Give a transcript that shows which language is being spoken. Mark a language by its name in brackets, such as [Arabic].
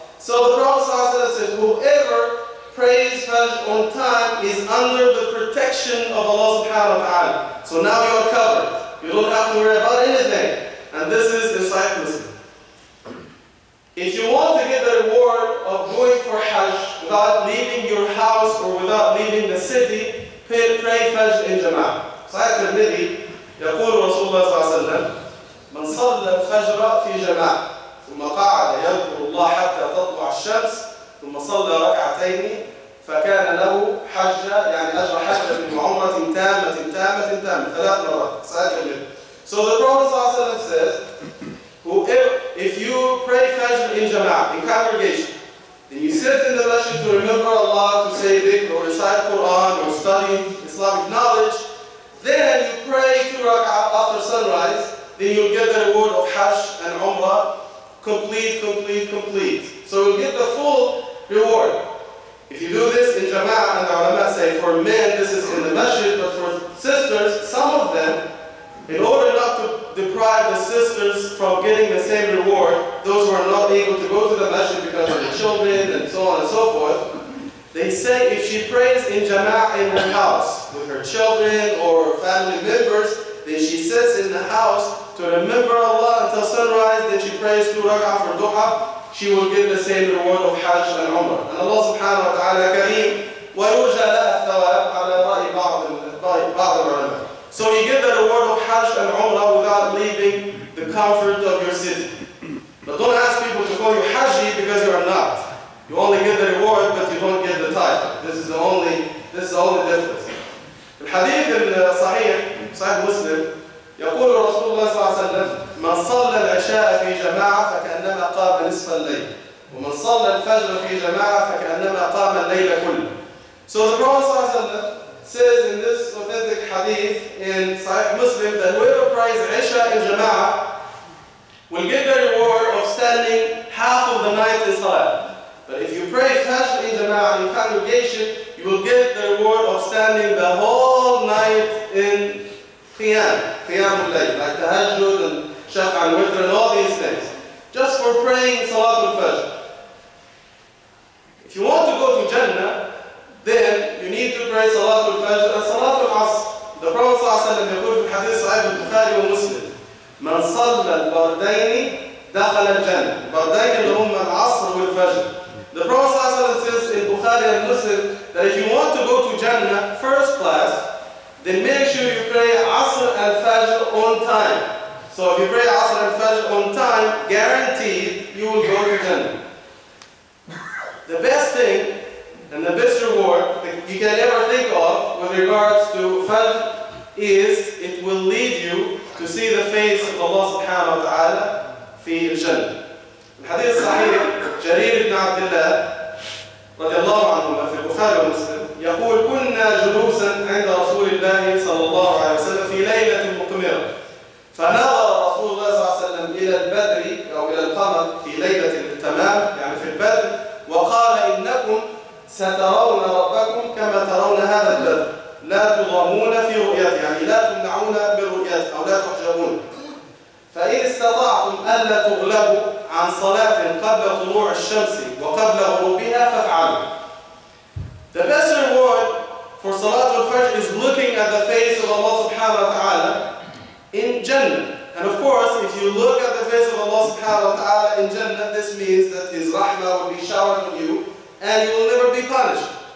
[English] So the Prophet says, whoever prays Fajr on time is under the protection of Allah subhanahu wa ta'ala. So now you are covered. You don't have to worry about anything. And this is in Sahih Muslim. If you want to get the reward of going for Hajj without leaving your house or without leaving the city, pray Fajr in Jama'ah. [Arabic] Sahih Tirmidhi, يقول رسول الله صلى الله عليه وسلم, من صلى الفجر في جماعة ثم قعد يذكر الله حتى تطلع الشمس ثم صلى ركعتين فكان له حجة يعني أجر حجة بمعمرة تامة تامة تامة ثلاث مرات صحيح جدا. [English] So the Prophet ﷺ says, if you pray Fajr in Jama'ah, in congregation, then you sit in the masjid to remember Allah, to say dhikr, or recite Quran, or study Islamic knowledge, then you pray two rak'ah after sunrise, then you'll get the reward of Hajj and Umrah, complete, complete, complete. So you'll get the full reward. If you do this in Jama'ah, and the ulama say for men this is in the masjid, but for sisters, some of them, in order not to deprive the sisters from getting the same reward, those who are not able to go to the masjid because of the children and so on and so forth, they say if she prays in Jama'ah in her house with her children or family members, then she sits in the house to remember Allah until sunrise, then she prays two rak'ah for duha, she will get the same reward of Hajj and Umrah. And [Arabic] Allah subhanahu wa ta'ala kareem, وَيُرْجَ لَهَا الثَّوَابُ عَلَى رَأِي بَعْضِ الْعُلَمَاءِ. [English] So you get the reward of Hajj and Umrah without leaving the comfort of your city. But don't ask people to call you Hajji because you are not. You only get the reward, but you don't get the title. This is the only difference. [Arabic] الحديث الصحيح صحيح مسلم يقول رسول الله صلى الله عليه وسلم من صلى العشاء في جماعة فكأنما قام نصف الليل ومن صلى الفجر في جماعة فكأنما قام الليل كله. [English] So the Prophet صلى الله عليه وسلم says in this authentic hadith in صحيح مسلم that whoever prays عشاء in جماعة will get the reward of standing half of the night in salah. But if you pray Fajr in جماعة in congregation, you will get the reward of standing the whole night in Qiyam, Qiyam al-Layl, like Tahajjud and Shafa al-Witr and all these things, just for praying Salat al-Fajr. If you want to go to Jannah, then you need to pray Salat al-Fajr and Salat al-Asr. The Prophet [Arabic] ﷺ يقول في الحديث صحيح البخاري ومسلم, من صلى البردين دخل الجنة. البردين اللي هم العصر والفجر. [English] The Prophet ﷺ says in Bukhari and Muslim that if you want to go to Jannah first class, then make sure you pray Asr and Fajr on time. So if you pray Asr and Fajr on time, guaranteed you will go to Jannah. The best thing and the best reward that you can ever think of with regards to Fajr is it will lead you to see the face of Allah subhanahu wa ta'ala fi Jannah. [Arabic] الحديث الصحيح جرير بن عبد الله رضي الله عنهما في البخاري ومسلم يقول كنا جلوسا عند رسول الله صلى الله عليه وسلم في ليلة مقمرة فنظر رسول الله صلى الله عليه وسلم إلى البدر أو إلى القمر في ليلة التمام يعني في البدر وقال إنكم سترون ربكم كما ترون هذا البدر لا تضامون في رؤيته يعني لا تمنعون بالرؤيته أو لا تحجبون فإن استطعتم ألا تغلبوا عن صلاة قبل طلوع الشمس وقبل غروبها فافعلوا. [English] The best reward for Salat al-Fajr is looking at the face of Allah subhanahu wa ta'ala in Jannah. And of course, if you look at the face of Allah subhanahu wa ta'ala in Jannah, this means that His rahmah will be showered on you and you will never be punished.